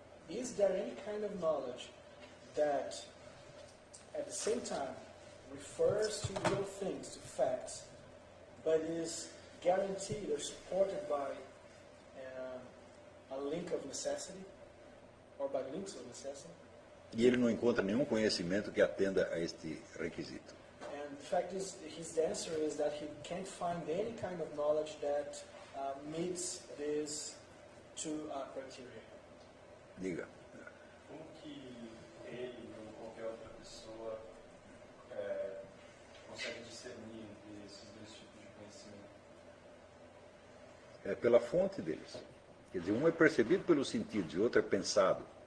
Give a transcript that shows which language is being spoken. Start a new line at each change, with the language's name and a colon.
English: Is there any kind of knowledge that, at the same time, refers to real things, to facts, but is guaranteed or supported by a link of necessity, or by links of necessity?
Portuguese: E ele não encontra nenhum conhecimento que atenda a este requisito.
English: And the fact is, his answer is that he can't find any kind of knowledge that meets these two criteria.
Portuguese: Diga. Como que ele ou qualquer outra pessoa consegue discernir entre esses dois tipos de conhecimento? É pela fonte deles. Quer dizer, um é percebido pelos sentidos e outro é pensado.